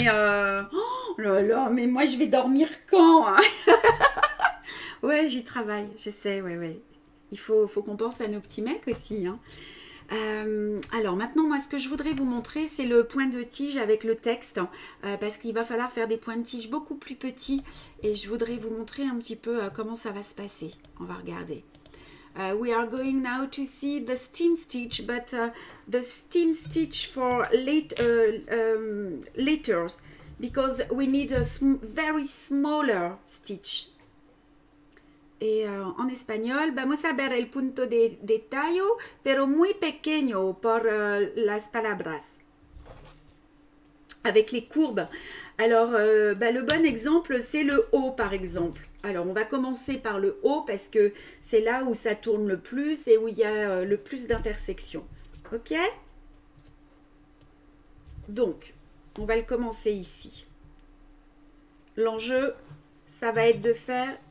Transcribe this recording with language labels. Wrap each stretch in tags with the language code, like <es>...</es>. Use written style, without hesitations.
<fr>Oh là là, mais moi, je vais dormir quand hein? Ouais, j'y travaille. Je sais, ouais, ouais. Il faut qu'on pense à nos petits mecs aussi. Hein. Alors, maintenant, moi, ce que je voudrais vous montrer, c'est le point de tige avec le texte. Parce qu'il va falloir faire des points de tige beaucoup plus petits. Et je voudrais vous montrer un petit peu comment ça va se passer. On va regarder.</fr> <en>We are going now to see the steam stitch. But the steam stitch for letters. Because we need a very smaller stitch.</en> <fr>Et en espagnol,</fr> <es>vamos a ver el punto de tallo, pero muy pequeño por las palabras.</es> <fr>Avec les courbes. Alors, le bon exemple, c'est le haut, par exemple. Alors, on va commencer par le haut parce que c'est là où ça tourne le plus et où il y a le plus d'intersections. OK? Donc, on va le commencer ici. L'enjeu, ça va être de faire...</fr>